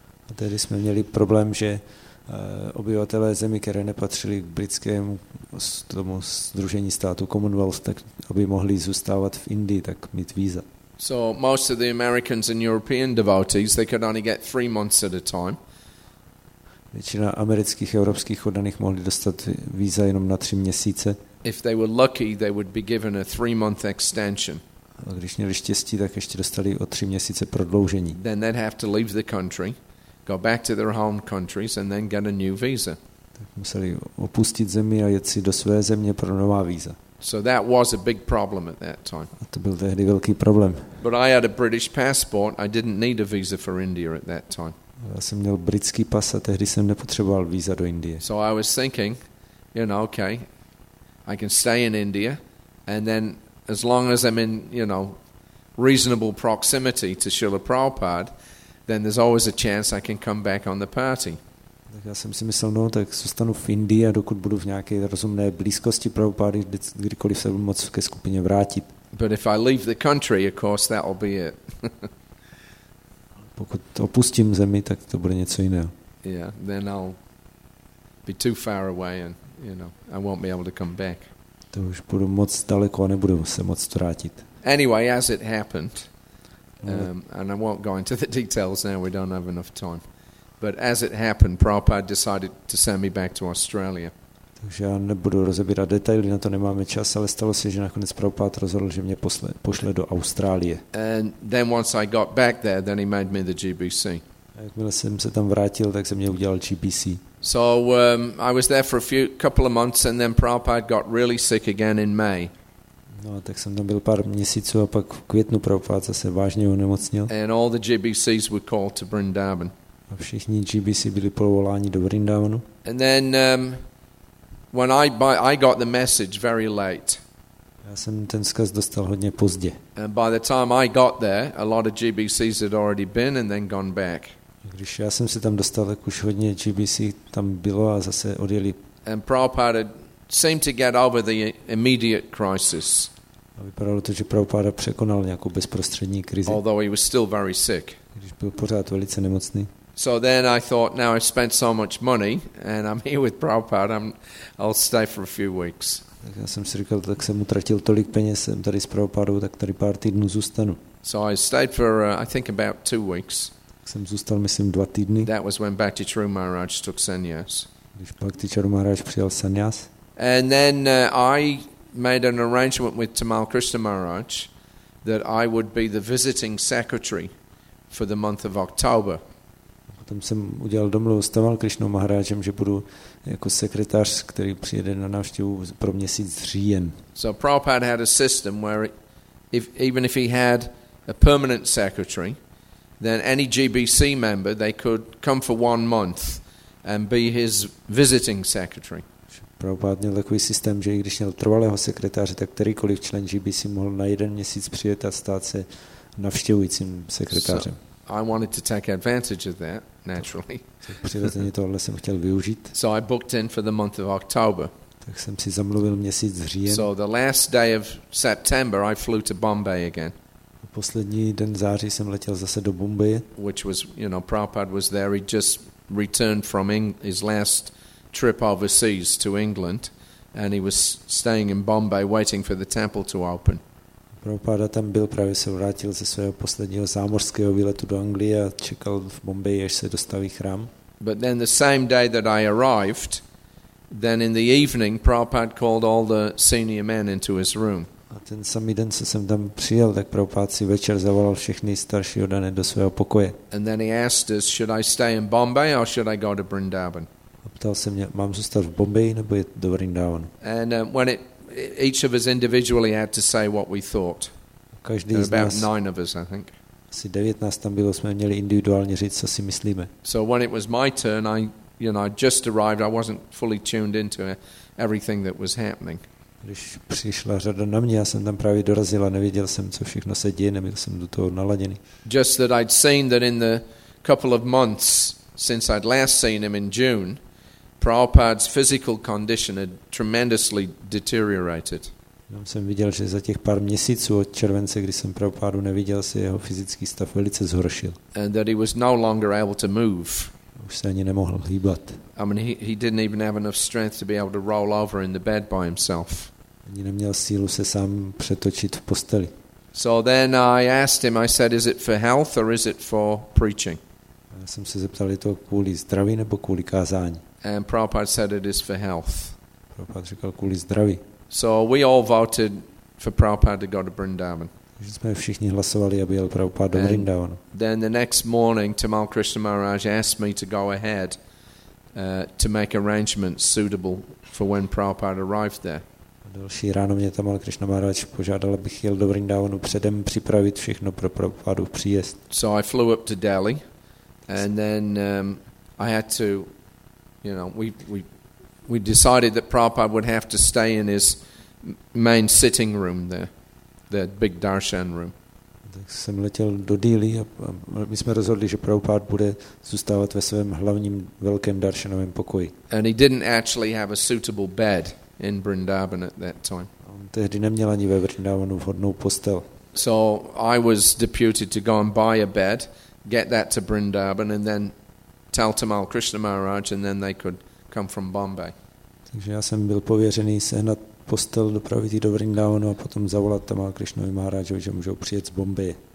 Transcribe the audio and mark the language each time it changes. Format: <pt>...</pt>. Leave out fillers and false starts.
<cs>A tady jsme měli problém, že obyvatelé zemí, které nepatřili k britskému tomu sdružení států Commonwealth, tak aby mohli zůstávat v Indii, tak mít víza.</cs> <en>So most of the Americans and European devotees, they could only get 3 months at a time.</en> <cs>Většina amerických a evropských oddaných mohli dostat víza jenom na 3 měsíce.</cs> <en>If they were lucky, they would be given a 3-month extension.</en> <cs>A když měli štěstí, tak ještě dostali o 3 měsíce prodloužení.</cs> <en>Then they'd have to leave the country, go back to their home countries, and then get a new visa.</en> <cs>Tak museli opustit zemi a jet si do své země pro nová víza.</cs> <en>So that was a big problem at that time.</en> <cs>A to byl tehdy velký problém.</cs> <en>But I had a British passport. I didn't need a visa for India at that time.</en> <cs>Já jsem měl britský pas a tehdy jsem nepotřeboval víza do Indie.</cs> <en>So I was thinking, you know, okay, I can stay in India, and then as long as I'm in, you know, reasonable proximity to Srila Prabhupada, then there's always a chance I can come back on the party.</en> <cs>Tak já jsem si myslel, no, tak zůstanu v Indii a dokud budu v nějaké rozumné blízkosti Prabhupády, kdykoliv se budu moct ke skupině vrátit.</cs> <en>But if I leave the country, of course, that will be it.</en> <cs>Pokud opustím zemi, tak to bude něco jiného.</cs> <en>Yeah, then I'll be too far away and, you know, I won't be able to come back.</en> <cs>To už budu moc daleko a nebudu se moc vrátit.</cs> <en>Anyway, as it happened, and I won't go into the details now, we don't have enough time, but as it happened, Prabhupada decided to send me back to Australia.</en> <cs>Takže já nebudu rozebírat detaily, na to nemáme čas, ale stalo se, že nakonec Prabhupada rozhodl, že mě pošle do Austrálie.</cs> <en>And then once I got back there, then he made me the GBC.</en> <cs>A jakmile jsem se tam vrátil, tak jsem mě udělal GBC.</cs> <en>So I was there for a few couple of months and then Prabhupada got really sick again in May.</en> <cs>No, tak jsem tam byl pár měsíců a pak v květnu Prabhupada zase vážně onemocnil.</cs> <en>And all the GBCs were called to Vrindavan.</en> <cs>A všichni GBC byli povoláni do Vrindavanu.</cs> <en>And then when I got the message very late.</en> <cs>Já jsem ten vzkaz dostal hodně pozdě.</cs> <en>And by the time I got there, a lot of GBCs had already been and then gone back.</en> <cs>Když já jsem se tam dostal, tak už hodně GBC tam bylo a zase odjeli.</cs> <en>And Prabhupada seemed to get over the immediate crisis.</en> <cs>A vypadalo to, že Prabhupada překonal nějakou bezprostřední krizi.</cs> <en>Although he was still very sick.</en> <cs>Když byl pořád velice nemocný.</cs> <en>So then I thought, now I've spent so much money and I'm here with Prabhupada, I'll stay for a few weeks.</en> <cs>Tak já jsem si říkal, tak jsem utratil tolik peněz, jsem tady s Prabhupadou, tak tady pár týdnů zůstanu.</cs> <en>So I stayed for I think about 2 weeks.</en> <cs>Jsem zůstal, myslím, 2 týdny.</cs> <en>That was when Bhakti Charu Maharaj took sannyas.</en> <cs>Když Bhakti Charu Maharaj přijal sannyas.</cs> <en>And then I made an arrangement with Tamal Krishna Maharaj that I would be the visiting secretary for the month of October.</en> <cs>Potom jsem udělal domluvu s Tamal Krishnou Maharajem, že budu jako sekretář, který přijede na návštěvu pro měsíc říjen.</cs> <en>So Prabhupada had a system where even if he had a permanent secretary, then any GBC member, they could come for 1 month and be his visiting secretary.</en> <cs>Prabhupada měl takový systém, že i když měl trvalého sekretáře, tak kterýkoliv člen GBC mohl na jeden měsíc přijet a stát se navštěvujícím sekretářem.</cs> <en>So, I wanted to take advantage of that, naturally.</en> <cs>Přirozeně tohle jsem chtěl využít.</cs> <en>So I booked in for the month of October.</en> <cs>Tak jsem si zamluvil měsíc říjen.</cs> <en>So the last day of September I flew to Bombay again.</en> <cs>Poslední den září jsem letěl zase do Bombaje.</cs> <en>Which was, you know, Prabhupada was there. He just returned from his last trip overseas to England and he was staying in Bombay waiting for the temple to open.</en> <cs>Prabhupada tam byl, právě se vrátil ze svého posledního zámořského výletu do Anglie a čekal v Bombaji, až se dostaví chrám.</cs> <en>But then the same day that I arrived, then in the evening Prabhupada called all the senior men into his room.</en> <cs>A ten samý den, co jsem tam přijel, tak Prabhupada si večer zavolal všechny starší oddané do svého pokoje.</cs> <en>And then he asked us, should I stay in Bombay or should I go to Vrindavan?</en> <cs>A ptal se mě, mám zůstat v Bombaji nebo jít do Vrindavan?</cs> <en>And when it each of us individually had to say what we thought.</en> <cs>Každý z nás,</cs> <en>about 9 of us, I think.</en> <cs>Asi 19 tam bylo, jsme měli individuálně říct, co si myslíme.</cs> <en>So when it was my turn, I, you know, I just arrived, I wasn't fully tuned into everything that was happening.</en> <cs>Když přišla řada na mě, já jsem tam právě dorazil a nevěděl jsem, co všechno se děje, nebyl jsem do toho naladěný.</cs> <en>Just that I'd seen that in the couple of months since I'd last seen him in June, Prabhupada's physical condition had tremendously deteriorated.</en> <cs>Já jsem viděl, že za těch pár měsíců od července, kdy jsem Prabhupádu neviděl, se jeho fyzický stav velice zhoršil.</cs> <en>And that he was no longer able to move.</en> <cs>Už se ani nemohl hýbat.</cs> <en>I mean, he didn't even have enough strength to be able to roll over in the bed by himself.</en> <cs>Ani neměl sílu se sám přetočit v posteli.</cs> <en>So then I asked him, I said, is it for health or is it for preaching?</en> <cs>Já jsem se zeptal, je to kvůli zdraví nebo kvůli kázání?</cs> <en>And Prabhupada said it is for health.</en> <cs>Prabhupada říkal kvůli zdraví.</cs> <en>So we all voted for Prabhupada to go to Vrindavan.</en> <cs>Takže jsme všichni hlasovali, aby jel Prabhupada do Vrindavanu.</cs> <en>Then the next morning, Tamal Krishna Maharaj asked me to go ahead to make arrangements suitable for when Prabhupada arrived there.</en> <cs>A další ráno mě Tamal Krishna Maharaj požádal, abych jel do Vrindavanu předem připravit všechno pro Prabhupada příjezd.</cs> <en>So I flew up to Delhi and then I had to, you know, we decided that Prabhupada would have to stay in his main sitting room there, the big darshan room.</en> <cs>Tak jsem letěl do Delhi a my jsme rozhodli, že Prabhupada bude zůstávat ve svém hlavním velkém darshanovém pokoji.</cs> <en>And he didn't actually have a suitable bed in Vrindavan at that time.</en> <cs>On tehdy neměl ani ve Vrindavanu vhodnou postel.</cs> <en>So I was deputed to go and buy a bed, get that to Vrindavan and then tell Tamal Krishna Maharaj and then they could come from Bombay.</en> <cs>Takže já jsem byl pověřený sehnat postel, dopravit ji do Vrindavanu a potom zavolat Tamal Krishnovi Maharajovi, že můžou přijet z Bombaje.</cs>